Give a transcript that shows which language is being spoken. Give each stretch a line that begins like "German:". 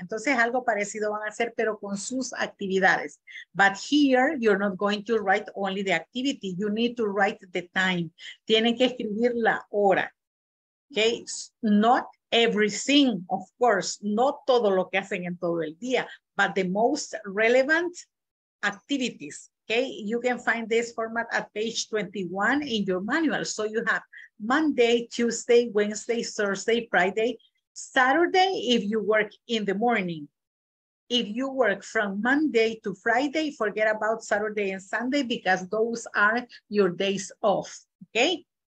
Spanish: Entonces, algo parecido van a hacer, pero con sus actividades.
English: But here, you're not going to write only the activity. You need to write the time.
Spanish: Tienen que escribir la hora.
English: Okay? Not everything, of course.
Spanish: No todo lo que hacen en todo el día.
English: But the most relevant activities. Okay? You can find this format at page 21 in your manual. So you have Monday, Tuesday, Wednesday, Thursday, Friday, Saturday, if you work in the morning. If you work from Monday to Friday, forget about Saturday and Sunday because those are your days off, okay?